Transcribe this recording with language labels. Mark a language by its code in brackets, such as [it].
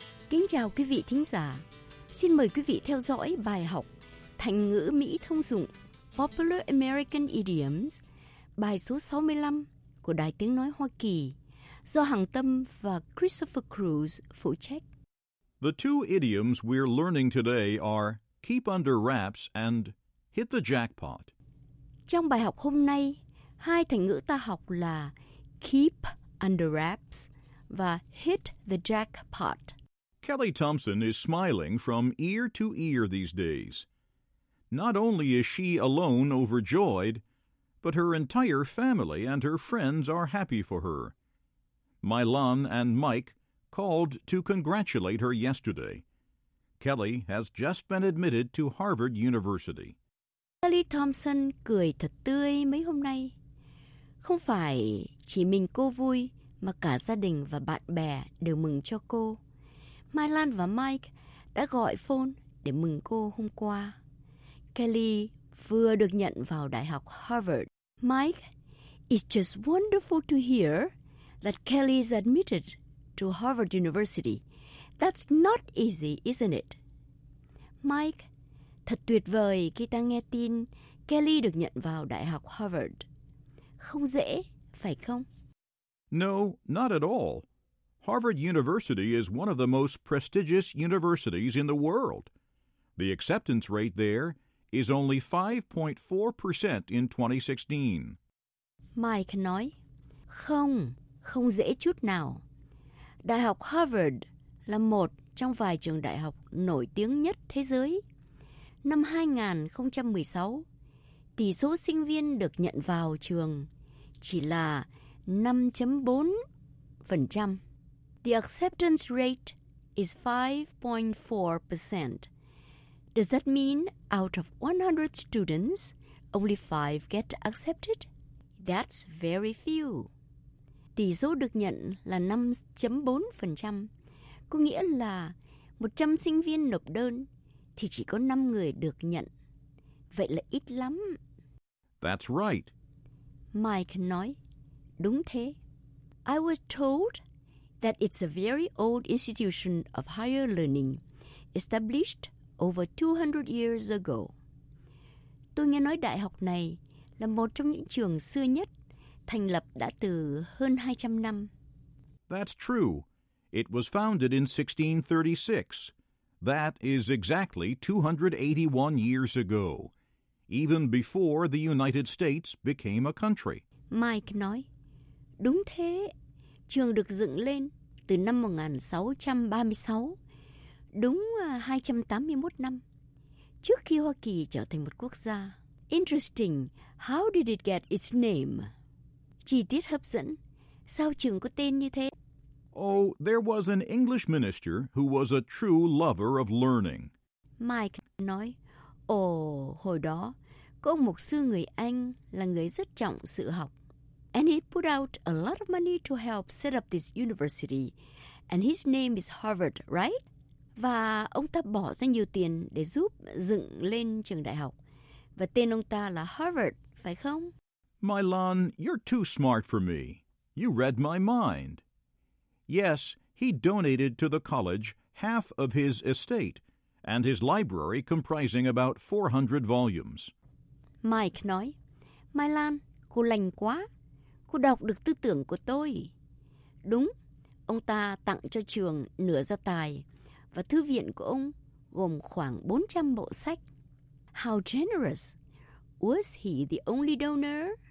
[vi] Kính chào quý vị thính giả. Xin mời quý vị theo dõi bài học Thành ngữ Mỹ thông dụng Popular American Idioms, bài số 65 của Đài Tiếng Nói Hoa Kỳ, do Hằng Tâm và Christopher Cruz phụ trách. [en] The two idioms we're learning today are keep under wraps and hit the jackpot. [vi] Trong bài học hôm nay, hai thành ngữ ta học là keep under wraps và hit the jackpot. [en] Kelly Thompson is smiling from ear to ear these days. Not only is she alone overjoyed, but her entire family and her friends are happy for her. Mylon and Mike called to congratulate her yesterday. Kelly has just been admitted to Harvard University. [vi] Kelly Thompson cười thật tươi mấy hôm nay. Không phải chỉ mình cô vui, mà cả gia đình và bạn bè đều mừng cho cô. Mylon và Mike đã gọi phone để mừng cô hôm qua. Kelly vừa được nhận vào Đại học Harvard. [en] Mike, it's just wonderful to hear that Kelly is admitted to Harvard University. That's not easy, isn't it? [vi] Mike, thật tuyệt vời khi ta nghe tin Kelly được nhận vào Đại học Harvard. Không dễ, phải không? [en] No, not at all. Harvard University is one of the most prestigious universities in the world. The acceptance rate there is only 5.4% in 2016. [vi] Mike nói, không, không dễ chút nào. Đại học Harvard là một trong vài trường đại học nổi tiếng nhất thế giới. Năm 2016, tỷ số sinh viên được nhận vào trường chỉ là 5.4%. [en] The acceptance rate is 5.4%. Does that mean out of 100 students, only 5 get accepted? That's very few. [vi] Tỷ số được nhận là 5.4%, có nghĩa là 100 sinh viên nộp đơn thì chỉ có 5 người được nhận. Vậy là ít lắm. [en] That's right. [vi] Mike nói, đúng thế. [en] I was told that it's a very old institution of higher learning, established over 200 years ago. [vi] Tôi nghe nói đại học này là một trong những trường xưa nhất, thành lập đã từ hơn 200 năm. [en] That's true. It was founded in 1636. That is exactly 281 years ago, even before the United States became a country. [vi] Mike nói, đúng thế, trường được dựng lên từ năm 1636, đúng 281 năm, trước khi Hoa Kỳ trở thành một quốc gia. [en] Interesting, how did it get its name? [vi] Chi tiết hấp dẫn, sao trường có tên như thế? [en] Oh, there was an English minister who was a true lover of learning. [vi] Mike nói, ồ, hồi đó, có một mục sư người Anh là người rất trọng sự học. [en] And he put out a lot of money to help set up this university. And his name is Harvard, right? [vi] Và ông ta bỏ ra nhiều tiền để giúp dựng lên trường đại học. Và tên ông ta là Harvard, phải không? [en] Mylon, you're too smart for me. You read my mind. Yes, he donated to the college half of his estate and his library comprising about 400 volumes. [vi] Mike nói, Mylon, cô lành quá. Cô đọc được tư tưởng của tôi. Đúng, ông ta tặng cho trường nửa gia tài và thư viện của ông gồm khoảng 400 bộ sách. [en] How generous! Was he the only donor?